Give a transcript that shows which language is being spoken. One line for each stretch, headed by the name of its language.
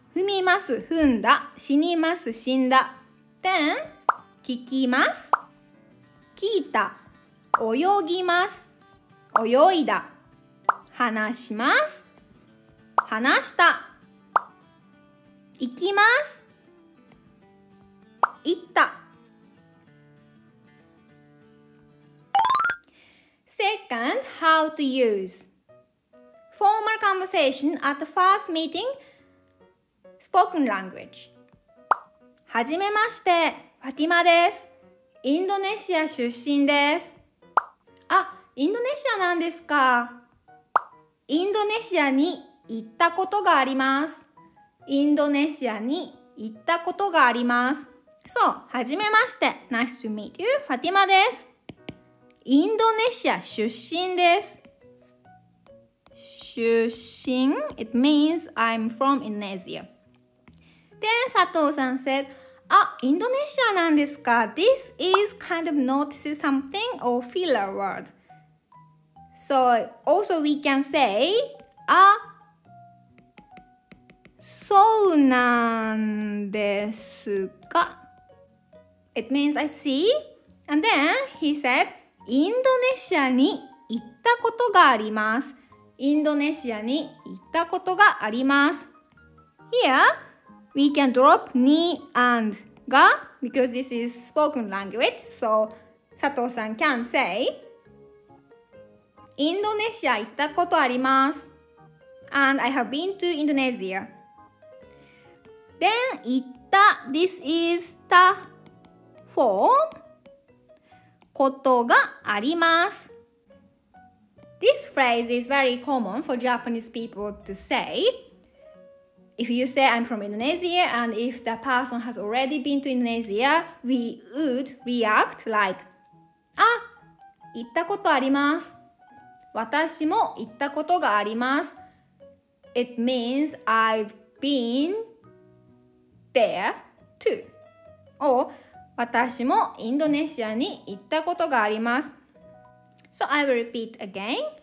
Japanese: 踏みます踏んだ死にます死んだ Then 聞きます聞いた泳ぎます泳いだ話します話した行きます行った
English: Second, how to useFormal conversation at the first meeting, spoken language.
Japanese: はじめまして、ファティマです。インドネシア出身です。あ、インドネシアなんですか。インドネシアに行ったことがあります。インドネシアに行ったことがあります。そう、はじめまして、
English: Nice to meet you,
Japanese: ファティマです。インドネシア出身です。
English: 出身 it means I'm from Indonesia. Then Sato-san said,
Japanese: Ah, Indonesia nan desu ka?
English: This is kind of not something or filler word. So also we can say, Ah,
Japanese: so nan desu ka?
English: It means I see. And then he said,
Japanese: Indonesia ni itta koto ga arimasu. インドネシアに行ったことがあります。
English: Here, we can drop ni and ga because this is spoken language. So, Sato-san can say,
Japanese: インドネシア行ったことあります。
English: And I have been to Indonesia. Then, 行った、this is ta form, ことがあります。 This phrase is very common for Japanese people to say. If you say I'm from Indonesia and if the person has already been to Indonesia, we would react like,
Japanese: あ、行ったことあります。私も行ったことがあります。
English: It means I've been there too. Or,
Japanese: 私もインドネシアに行ったことがあります。
English: So I will repeat again.